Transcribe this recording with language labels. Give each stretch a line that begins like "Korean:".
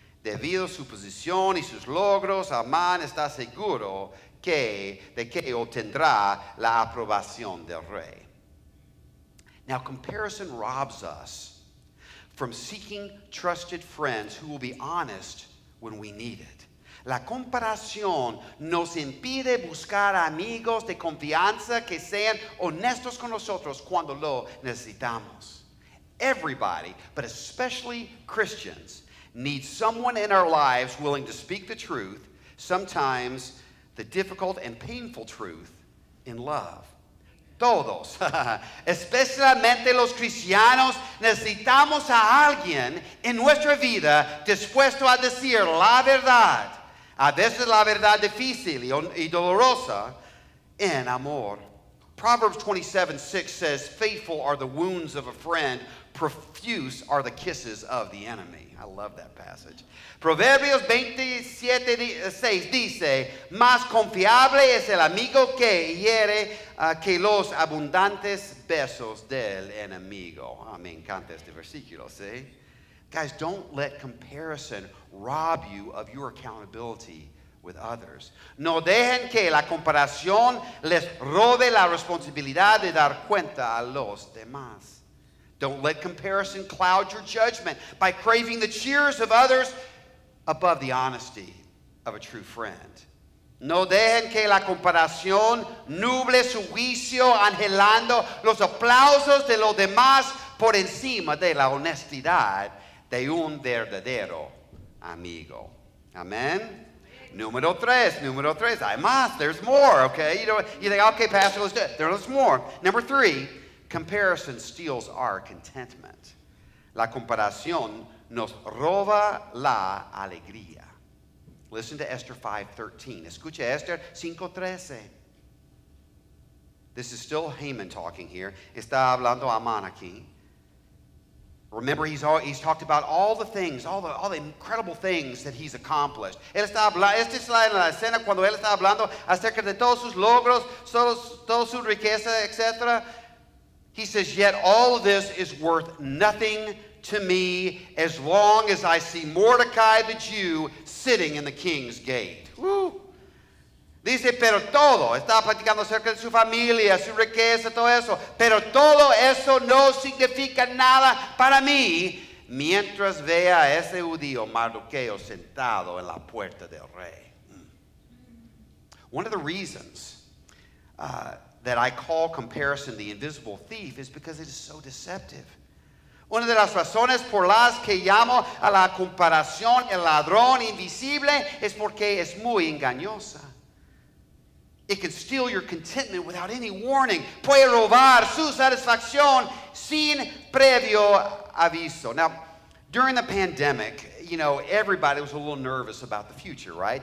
Spanish: Debido a su posición y sus logros, Amán está seguro de que obtendrá la aprobación del rey.
English: Now, comparison robs us from seeking trusted friends who will be honest when we need it.
Spanish: La comparación nos impide buscar amigos de confianza que sean honestos con nosotros cuando lo necesitamos.
English: Everybody, but especially Christians, need someone in our lives willing to speak the truth, sometimes the difficult and painful truth, in love.
Spanish: Todos, especialmente los cristianos, necesitamos a alguien en nuestra vida dispuesto a decir la verdad. A veces la verdad difícil y dolorosa en amor.
English: Proverbs 27:6 says, faithful are the wounds of a friend, profuse are the kisses of the enemy. I love that passage.
Spanish: Proverbios 27:6 dice, más confiable es el amigo que hiere que los abundantes besos del enemigo. A mí me encanta este versículo, ¿sí?
English: Guys, don't let comparison rob you of your accountability with others.
Spanish: No dejen que la comparación les robe la responsabilidad de dar cuenta a los demás.
English: Don't let comparison cloud your judgment by craving the cheers of others above the honesty of a true friend.
Spanish: No dejen que la comparación nuble su juicio anhelando los aplausos de los demás por encima de la honestidad de un verdadero amigo.
English: Amen.
Spanish: Número tres.
English: I must. There's more. Okay. You think, okay, Pastor, let's do it. There's more. Number three, comparison steals our contentment.
Spanish: La comparación nos roba la alegría.
English: Listen to Esther 5:13.
Spanish: Escucha Esther 5:13.
English: This is still Haman talking here.
Spanish: Está hablando Amán aquí.
English: Remember, he's talked about all the things, all the incredible things that he's accomplished.
Spanish: Él está hablando, esta es la escena cuando él está hablando acerca de todos sus logros, toda su riqueza, etc.
English: He says, yet all of this is worth nothing to me as long as I see Mordecai the Jew sitting in the king's gate. Woo!
Spanish: Dice, pero todo, estaba platicando acerca de su familia, su riqueza, todo eso. Pero todo eso no significa nada para mí mientras vea a ese judío Mardoqueo sentado en la puerta del rey.
English: One of the reasons that I call comparison the invisible thief is because it is so deceptive.
Spanish: Una de las razones por las que llamo a la comparación el ladrón invisible es porque es muy engañosa.
English: It can steal your contentment without any warning.
Spanish: Puede robar su satisfacción sin previo aviso.
English: Now, during the pandemic, you know, everybody was a little nervous about the future, right?